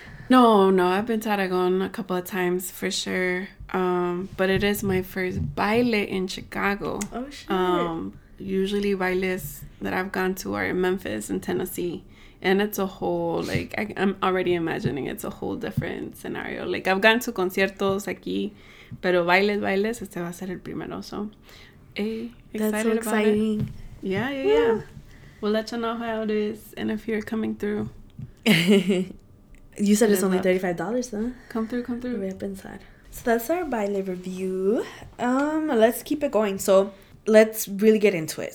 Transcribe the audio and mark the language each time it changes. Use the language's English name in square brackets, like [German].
[English] No, I've been to Aragon a couple of times for sure, but it is my first baile in Chicago. Oh, shit. Usually bailes that I've gone to are in Memphis and Tennessee, and it's a whole, like, I'm already imagining it's a whole different scenario. Like, I've gone to [Spanish] conciertos aquí, pero bailes, este va a ser el primero, so, [English] excited about it. Yeah. We'll let you know how it is, and if you're coming through. You said it's only $35, huh? Come through. [Spanish] Voy a pensar. [English] So that's our baile review. Let's keep it going. So let's really get into it.